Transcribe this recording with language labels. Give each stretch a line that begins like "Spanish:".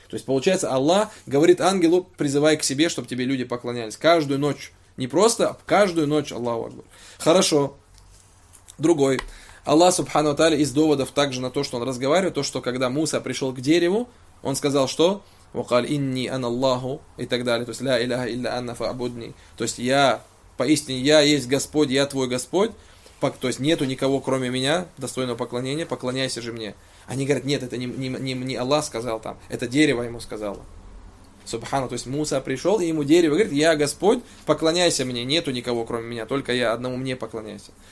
Russian: То есть, получается, Аллах говорит ангелу, призывай к себе, чтобы тебе люди поклонялись. Каждую ночь. Не просто, а каждую ночь, Аллаху Акбар. Хорошо. Другой. Аллах, субхану тааля, из доводов также на то, что он разговаривает, то, что когда Муса пришел к дереву, он сказал, что...
Arabic: وَقَالَ إِنِّي أَنَ اللَّهُ
Russian: и так далее. То есть
Arabic: «Ля إِلَهَ إِلَّا أَنَّ فَعْبُدْنِي».
Russian: То есть «Я, поистине, я есть Господь, я твой Господь». То есть «Нету никого, кроме меня, достойного поклонения, поклоняйся же мне». Они говорят «Нет, это не Аллах сказал там, это дерево ему сказало». Субхана, то есть Муса пришел, и ему дерево говорит «Я Господь, поклоняйся мне, нету никого, кроме меня, только я, одному мне поклоняйся».